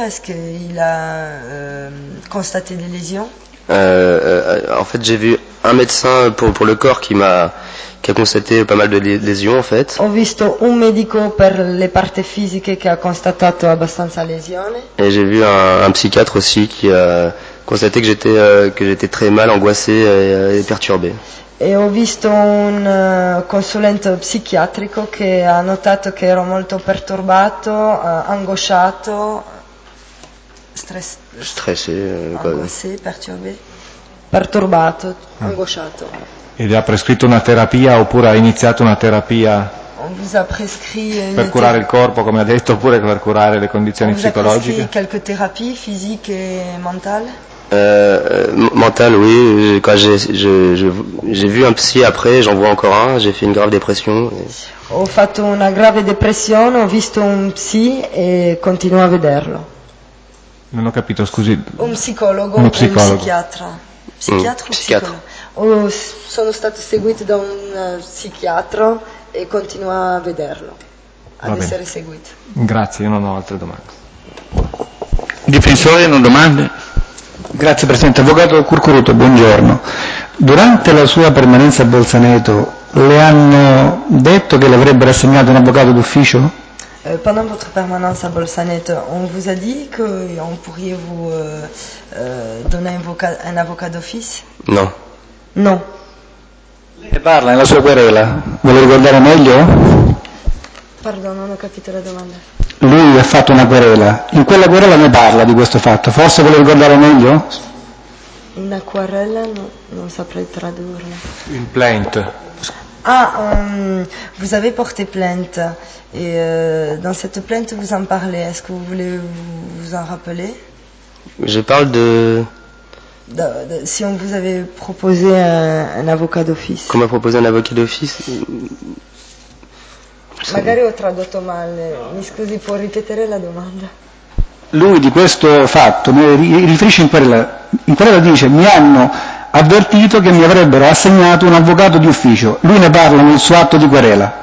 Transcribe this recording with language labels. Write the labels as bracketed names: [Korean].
[French] Est-ce qu'il a constaté des lésions? En fait, j'ai vu un médecin pour le corps qui a constaté pas mal de lésions, en fait. [Italian] Ho visto un medico per le parti fisiche che ha constatato abbastanza lesioni. [French] Et j'ai vu un psychiatre aussi qui a constaté que j'étais très mal, angoissé et perturbé. [Italian] E ho visto un consulente psichiatrico che ha notato che ero molto perturbato, angosciato, perturbato, angosciato. Ed ha prescritto una terapia oppure ha iniziato una terapia? [French] Vous a prescrit [Italian] per curare il corpo, come ha detto, oppure per curare le condizioni psicologiche? [French] Vous a prescrit quelques thérapies physiques et mentales? Mental, oui. Quand j'ai vu un psy après, j'en vois encore un. J'ai fait une grave dépression. [Italian] Ho fatto una grave depressione. Ho visto un psy e continuo a vederlo. Non ho capito, scusi. Un psicologo. Psichiatra. Psichiatra. Sono stato seguito da un psichiatra e continuo a vederlo. Essere seguito. Grazie. Io non ho altre domande. Difensore, non domande. Grazie Presidente. Avvocato Curcuruto, buongiorno. Durante la sua permanenza a Bolzaneto le hanno detto che l'avrebbero assegnato un avvocato d'ufficio? [French] Pendant votre permanence à Bolzaneto, on vous a dit qu'on pourrait vous donner un avvocato d'office? [Italian] No. No. Lei parla nella sua querela. Vuole ricordare meglio? Pardon, non ho capito la domanda. Lui ha fatto una querela. In quella querela ne parla di questo fatto. Forse vuole ricordare meglio? Una querela, no, non saprei tradurla. Implant. [French] Ah, vous avez porté plainte. Et dans cette plainte, vous en parlez. Est-ce que vous voulez vous en rappeler? Je parle de... Si on vous avait proposé un avocat d'office. Comment proposer un avocat d'office? [Italian] Magari ho tradotto male. Mi scusi, può ripetere la domanda? Lui di questo fatto mi riferisce in quella dice: mi hanno avvertito che mi avrebbero assegnato un avvocato di ufficio. Lui ne parla nel suo atto di querela.